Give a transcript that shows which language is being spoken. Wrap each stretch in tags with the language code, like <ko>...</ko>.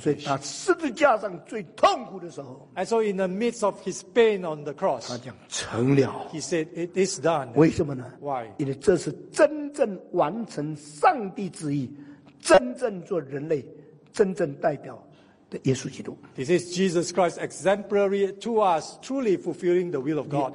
<zh>所以他十字架上最痛苦的时候。</zh> <en>And so in the midst of his pain on the cross.</en> <zh>他讲成了。</zh> <en>He said, it is done.</en> <zh>为什么呢</zh> <en>？Why?</en> <zh>因为这是真正完成上帝旨意，真正做人类，真正代表。</zh> <en>This is Jesus Christ exemplary to us, truly fulfilling the will of God.</en>